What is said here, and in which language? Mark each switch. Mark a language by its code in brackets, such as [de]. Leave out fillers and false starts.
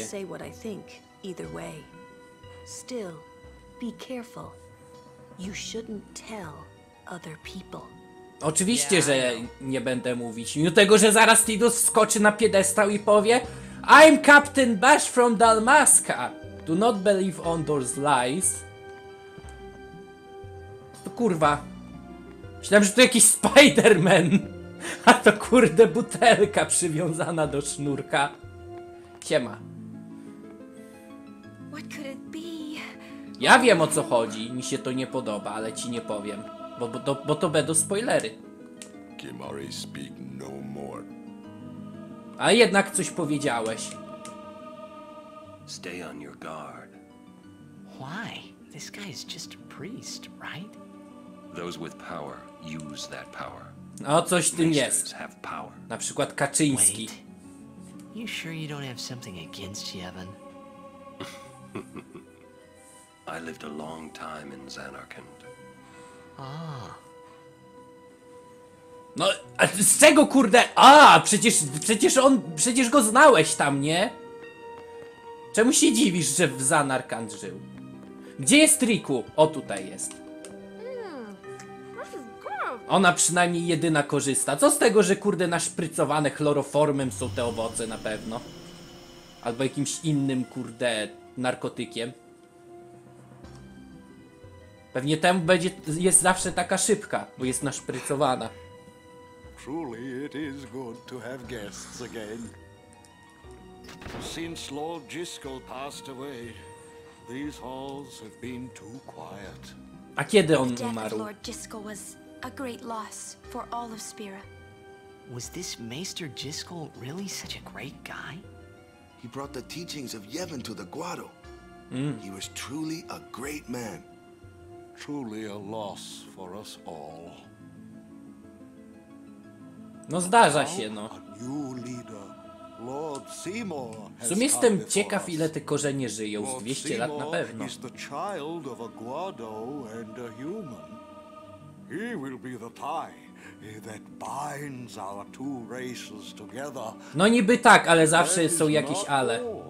[en] I can't say what I think either way. Still, be careful. You shouldn't tell other people. [pl] Oczywiście, że nie będę mówić. Mimo tego, że zaraz Tidus wskoczy na piedestał i powie: [en] I'm Captain Bash from Dalmaska. Do not believe Ondor's lies. [pl] To kurwa. Myślałem, że to jakiś Spider-Man. A to kurde butelka przywiązana do sznurka. Siema. [en] What could it be? [pl] Ja wiem, o co chodzi. Mi się to nie podoba, ale ci nie powiem. Bo to będą spoilery. [en] Kimari speak no more. [pl] A jednak coś powiedziałeś. [en] Stay on your guard. Why? This guy is just a priest, right? Those with power use that power. [pl] O, coś w tym jest. Na przykład Kaczyński. [en] Wait. You sure you don't have something against Yevon? I lived a long time in Xanarkand. Ah. [pl] No, a z czego kurde? A, przecież go znałeś tam, nie? Czemu się dziwisz, że w Xanarkand żył? Gdzie jest Riku? O, tutaj jest. Ona przynajmniej jedyna korzysta. Co z tego, że kurde naszprycowane chloroformem są te owoce na pewno? Albo jakimś innym kurde narkotykiem? Pewnie temu będzie, jest zawsze taka szybka, bo jest naszprycowana. [en] Truly it is good to have guests again. Since Lord Giscoll passed away, these halls have been too quiet. [pl] A kiedy on umarł? [en] Lord Giscoll was a great loss for all of Spira. Was this Maester Giscoll really such a great guy? He brought the teachings of Yevon to the Guado. He was truly a great man. Truly a loss for us all. [pl] No zdarza się, no. [en] A new leader, Lord Seymour, [pl] w sumie jestem ciekaw, ile te korzenie żyją. Z 200 lat na pewno. [en] Lord Seymour is the child of a Guado and a human. He will be the tie that binds our two races together. [pl] No niby tak, ale zawsze są jakieś ale.